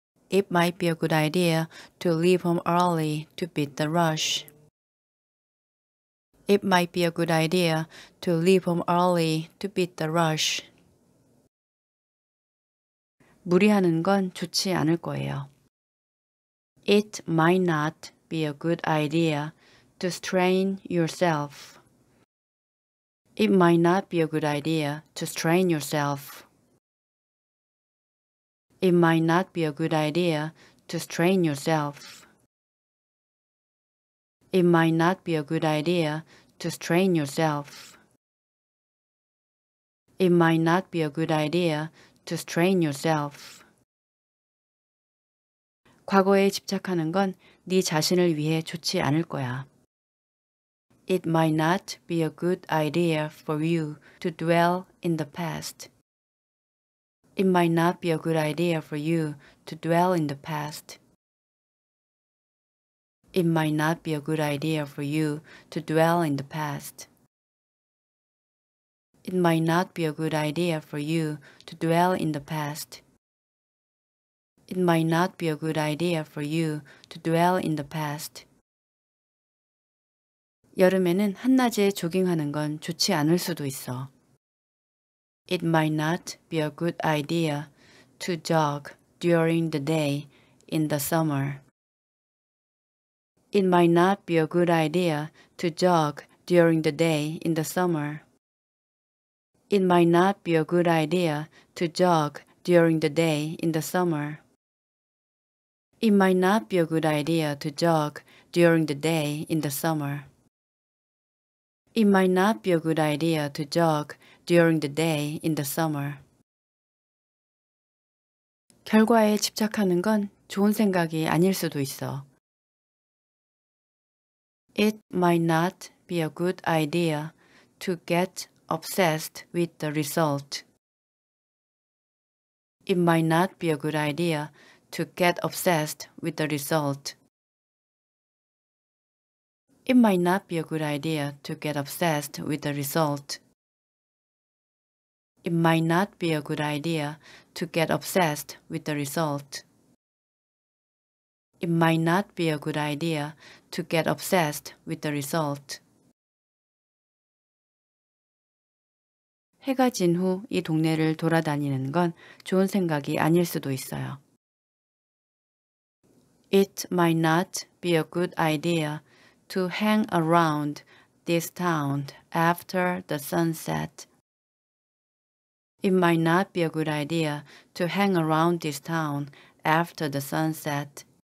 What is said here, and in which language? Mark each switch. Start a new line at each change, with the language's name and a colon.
English: It might be a good idea to leave home early to beat the rush. It might be a good idea to leave home early to beat the rush.
Korean: 무리하는 건 좋지 않을 거예요.
English: It might not be a good idea to strain yourself. It might not be a good idea to strain yourself. It might not be a good idea to strain yourself. It might not be a good idea to strain yourself. It might not be a good idea to strain yourself.
Korean: 과거에 집착하는 건 네 자신을 위해 좋지 않을 거야.
English: It might not be a good idea for you to dwell in the past. It might not be a good idea for you to dwell in the past. It might not be a good idea for you to dwell in the past. It might not be a good idea for you to dwell in the past. It might not be a good idea for you to dwell in the past.
Korean: 여름에는 한낮에 조깅하는 건 좋지 않을 수도 있어.
English: It might not be a good idea to jog during the day in the summer. It might not be a good idea to jog during the day in the summer. It might not be a good idea to jog during the day in the summer. It might not be a good idea to jog during the day in the summer. It might not be a good idea to jog during the day in the summer.
Korean: 결과에 집착하는 건 좋은 생각이 아닐 수도 있어.
English: It might not be a good idea to get obsessed with the result. It might not be a good idea to get obsessed with the result. It might not be a good idea to get obsessed with the result. It might not be a good idea to get obsessed with the result. It might not be a good idea to get obsessed with the result.
Korean: 해가 진 후 이 동네를 돌아다니는 건 좋은 생각이 아닐 수도 있어요.
English: It might not be a good idea to hang around this town after the sunset. It might not be a good idea to hang around this town after the sunset.